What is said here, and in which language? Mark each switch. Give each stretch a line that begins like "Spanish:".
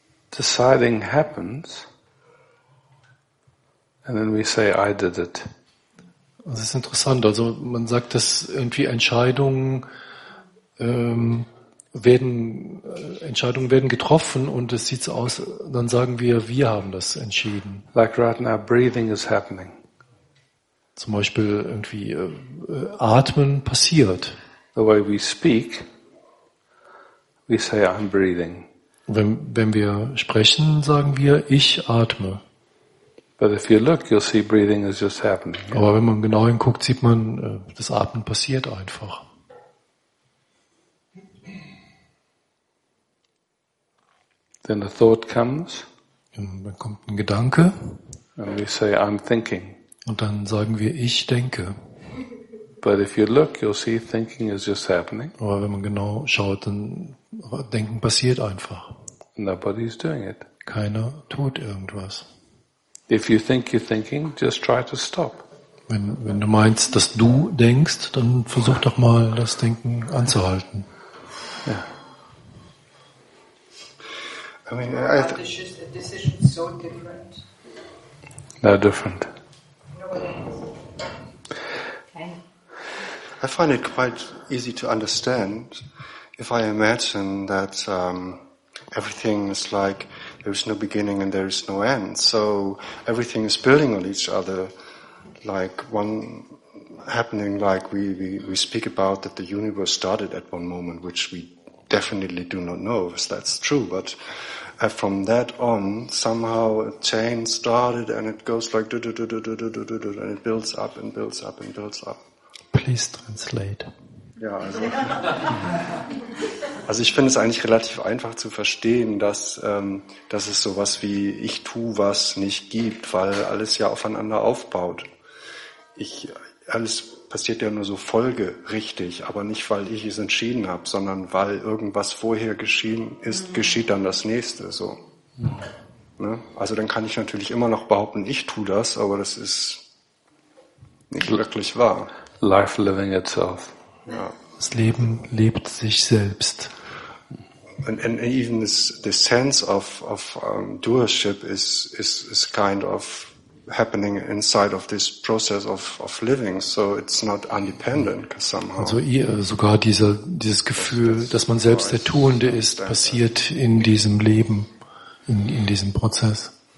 English: Deciding happens, and then we say, I did it.
German: Das ist interessant. Also man sagt, dass irgendwie Entscheidungen Entscheidungen werden getroffen und es sieht so aus, dann sagen wir haben das entschieden.
English: Like right now, breathing is happening.
German: Zum Beispiel irgendwie Atmen passiert.
English: The way we speak, we say I'm breathing.
German: Wenn wir sprechen, sagen wir ich atme.
English: But if you look, you'll see breathing is just happening.
German: Aber wenn man genau hinguckt, sieht man, das Atmen passiert einfach.
English: Then a thought comes.
German: Und dann kommt ein Gedanke.
English: And we say, I'm thinking.
German: Und dann sagen wir, ich denke.
English: But if you look, you'll see thinking is just happening.
German: Aber wenn man genau schaut, dann denken passiert einfach.
English: Nobody is doing it.
German: Keiner tut irgendwas.
English: If you think you're thinking, just try to stop.
German: Wenn du meinst, dass du denkst, dann versuch doch mal, das Denken anzuhalten.
English: Yeah. I mean, I think the decision is so different. No, different. I find it quite easy to understand if I imagine that everything is like there is no beginning and there is no end. So everything is building on each other, like one happening, like we speak about that the universe started at one moment, which we definitely do not know if that's true. But from that on, somehow a chain started and it goes like do do do do do do do do do, and it builds up and builds up and builds up. Please translate.
German: Ja, also ich finde es eigentlich relativ einfach zu verstehen, dass dass es sowas wie ich tue was nicht gibt, weil alles ja aufeinander aufbaut. Alles passiert ja nur so folgerichtig, aber nicht weil ich es entschieden habe, sondern weil irgendwas vorher geschehen ist, geschieht dann das nächste. So. Mhm. Ne? Also dann kann ich natürlich immer noch behaupten, ich tue das, aber das ist nicht wirklich wahr.
English: Life living itself.
German: Ja. Das Leben lebt sich selbst.
English: And even the sense of doership is kind of happening inside of this process of living. So it's not independent somehow.
German: Also sogar dieses Gefühl, dass man selbst der Tuende ist, passiert in diesem Leben, in diesem Prozess.